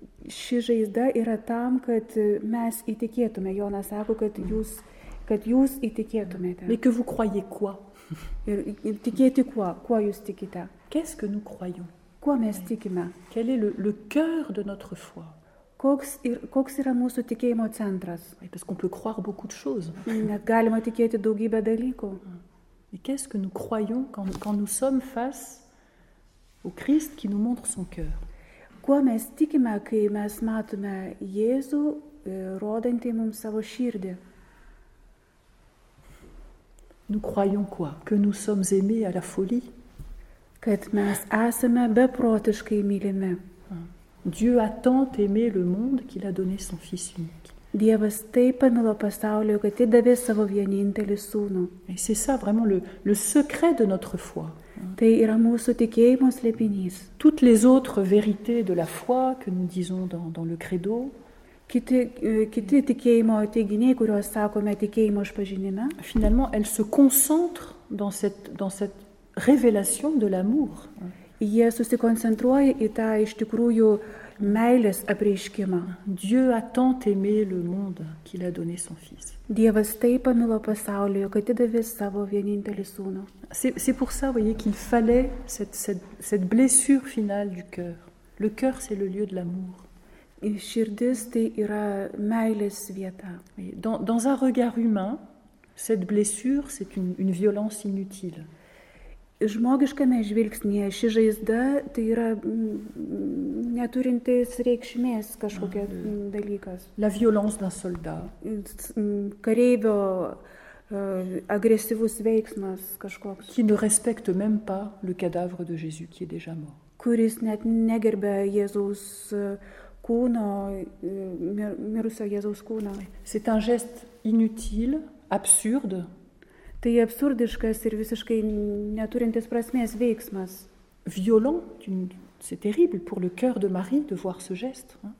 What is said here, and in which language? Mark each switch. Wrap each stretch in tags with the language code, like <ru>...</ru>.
<lt>Ši žaizda yra tam, kad mes įtikėtume. Jonas sako, kad jūs įtikėtumėte.</lt> <fr>Mais que vous croyez quoi?</fr> <lt>Ir tikėti kuo? Kuo jūs tikite?</lt> <fr>Qu'est-ce que nous croyons?</fr> <lt>Kuo mes tikime?</lt> <fr>Quel est le cœur de notre foi?</fr> <lt>Koks yra mūsų tikėjimo centras?</lt> <fr>Parce qu'on peut croire beaucoup de choses.</fr> <lt>Galima tikėti daugybę dalykų.</lt> <fr>Et qu'est-ce que nous croyons quand nous sommes face au Christ qui nous montre son cœur?</fr> <lt>Kuo mes tikime, kai mes matome Jėzų rodantį mums savo širdį?</lt> <fr>Nous croyons quoi? Que nous sommes aimés à la folie?</fr> <lt>Kad mes esame beprotiškai mylimi.</lt> <fr>Dieu a tant aimé le monde qu'il a donné son Fils unique.</fr> <lt>Dievas taip pamilo pasaulį, kad įdavė savo vienintelį sūnų.</lt> <fr>Et c'est ça vraiment le secret de notre foi.</fr> <lt>Tai yra mūsų tikėjimo slėpinys.</lt> <fr>Toutes les autres vérités de la foi que nous disons dans le credo.</fr> <lt>Kiti tikėjimo teiginiai, kuriuos sakome tikėjimo išpažinime.</lt> <fr>Finalement, elles se concentrent dans cette révélation de l'amour.</fr> <lt>Jie susikoncentruoja į tą iš tikrųjų meilės apreiškimą.</lt> <fr>Dieu a tant aimé le monde qu'il a donné son fils.</fr> <lt>Dievas taip pamilo pasaulį, kad įdavė savo vienintelį sūnų.</lt> <fr>C'est pour ça, voyez, qu'il fallait cette blessure finale du cœur. Le cœur, c'est le lieu de l'amour.</fr> <lt>Širdis tai yra meilės vieta.</lt> <fr>Dans un regard humain, cette blessure, c'est une violence inutile.</fr> <lt>Žmogiškame žvilgsnyje ši žaizda tai yra neturintis reikšmės kažkokia dalykas.</lt> <fr>La violence d'un soldat.</fr> <lt>Kareivio agresyvus veiksmas kažkoks.</lt> <fr>Qui ne respecte même pas le cadavre de Jésus qui est déjà mort.</fr> <lt>Kuris net negerbia Jėzaus kūno, mirusio Jėzaus kūno.</lt> <fr>C'est un geste inutile, absurde.</fr> <lt>Tai absurdiškas ir visiškai neturintis prasmės veiksmas.</lt> <fr>Violent, c'est terrible pour le cœur de Marie de voir ce geste.</fr>